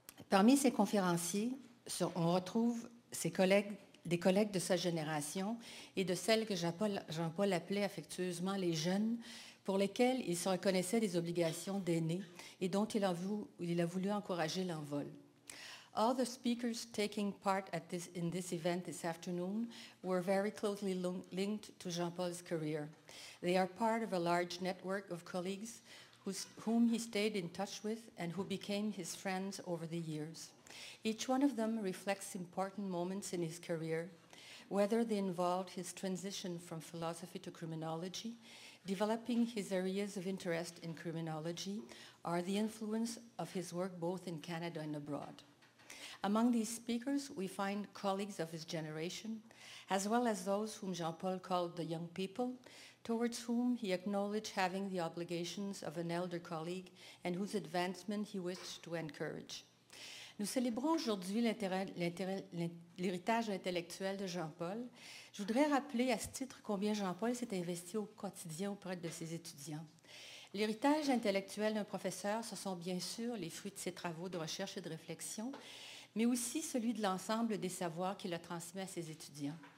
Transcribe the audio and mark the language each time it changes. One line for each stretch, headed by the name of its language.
French: Parmi ses conférenciers, on retrouve des collègues de sa génération et de celles que Jean-Paul appelait affectueusement les jeunes, pour lesquels il se reconnaissait des obligations d'aîné et dont il a voulu encourager l'envol.
English: All the speakers taking part in this event this afternoon were very closely linked to Jean-Paul's career. They are part of a large network of colleagues whom he stayed in touch with and who became his friends over the years. Each one of them reflects important moments in his career, whether they involved his transition from philosophy to criminology, developing his areas of interest in criminology, or the influence of his work both in Canada and abroad. Among these speakers, we find colleagues of his generation, as well as those whom Jean-Paul called the young people, towards whom he acknowledged having the obligations of an elder colleague and whose advancement he wished to encourage.
French: Nous célébrons aujourd'hui l'héritage intellectuel de Jean-Paul. Je voudrais rappeler à ce titre combien Jean-Paul s'est investi au quotidien auprès de ses étudiants. L'héritage intellectuel d'un professeur, ce sont bien sûr les fruits de ses travaux de recherche et de réflexion, mais aussi celui de l'ensemble des savoirs qu'il a transmis à ses étudiants.